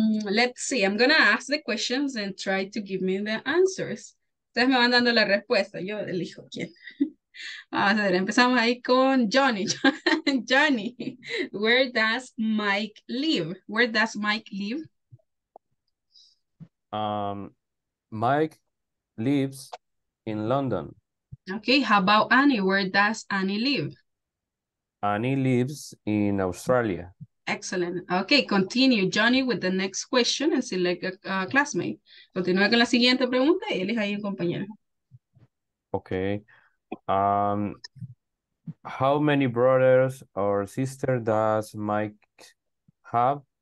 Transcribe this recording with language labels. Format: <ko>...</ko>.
<en>Let's see, I'm going to ask the questions and try to give me the answers.</en> <es>Ustedes me van dando la respuesta, yo elijo quién. Vamos a ver, empezamos ahí con Johnny.</es> <en>Johnny, where does Mike live? Where does Mike live? Mike lives in London. Okay, how about Annie? Where does Annie live? Annie lives in Australia. Excellent. Okay, continue, Johnny, with the next question and select a classmate.</en> <es>Continúa con la siguiente pregunta y elige ahí un compañero.</es> <en>Okay. How many brothers or sisters does Mike have?</en>